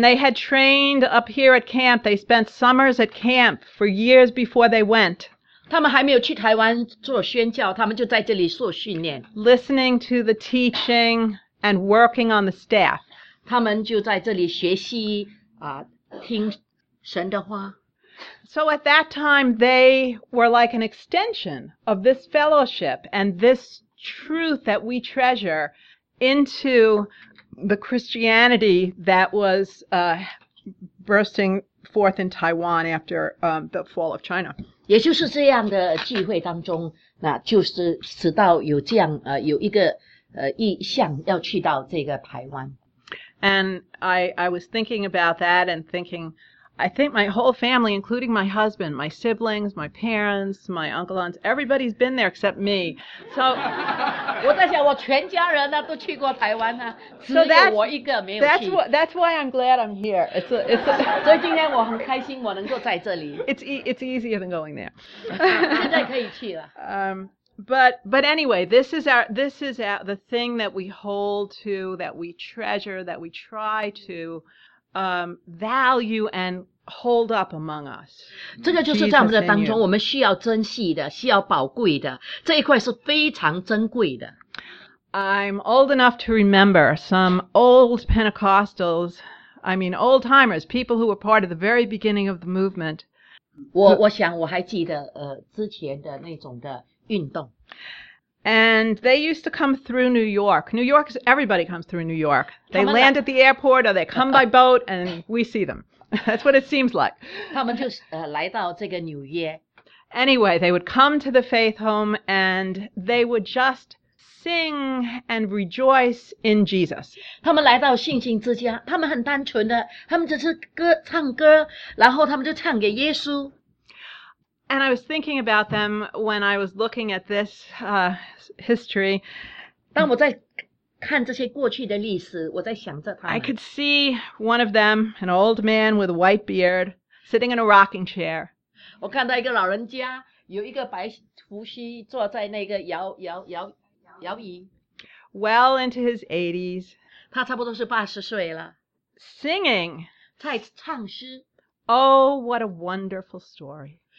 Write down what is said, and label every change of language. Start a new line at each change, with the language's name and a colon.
English: And they had trained up here at camp. They spent summers at camp for years before they went.
Chinese: 他们还没有去台湾做宣教，他们就在这里受训练。
English: Listening to the teaching and working on the staff.
Chinese: 他们就在这里学习听神的话。
English: So at that time, they were like an extension of this fellowship and this truth that we treasure. Into the Christianity that was bursting forth in Taiwan after the fall of China.
Chinese: 也就是这样的聚会当中，那就是直到有这样有一个意向要去到这个台湾。
English: And I was thinking about that and thinking, I think my whole family, including my husband, my siblings, my parents, my uncle, aunts, everybody's been there except me. So,
Chinese: 我在想我全家人呢都去过台湾呢，只有我一个没有去。
English: That's why I'm glad I'm here.
Chinese: So 今天我很开心我能够在这里。
English: It's easier than going there.
Chinese: 现在可以去了。
English: But anyway, this is the thing that we hold to, that we treasure, that we try to. Value and hold up among us.
Chinese: 这个就是在我们的当中我们需要珍惜的需要宝贵的这一块是非常珍贵的
English: I'm old enough to remember some old Pentecostals, I mean old timers, people who were part of the very beginning of the movement.
Chinese: 我想我还记得之前的那种的运动
English: And they used to come through New York. New York, everybody comes through New York. They land at the airport or they come by boat and we see them. That's what it seems like.
Chinese: 他们就来到这个纽约。
English: Anyway, they would come to the faith home and they would just sing and rejoice in Jesus.
Chinese: 他们来到信心之家，他们很单纯的，他们只是歌唱歌，然后他们就唱给耶稣。
English: And I was thinking about them when I was looking at this history.
Chinese: 当我在看这些过去的历史，我在想着他们。
English: I could see one of them, an old man with a white beard, sitting in a rocking chair.
Chinese: 我看到一个老人家，有一个白胡须，坐在那个摇椅。
English: Well into his 80s.
Chinese: 他差不多是80岁了。
English: Singing.
Chinese: 在唱诗。
English: Oh, what a wonderful story.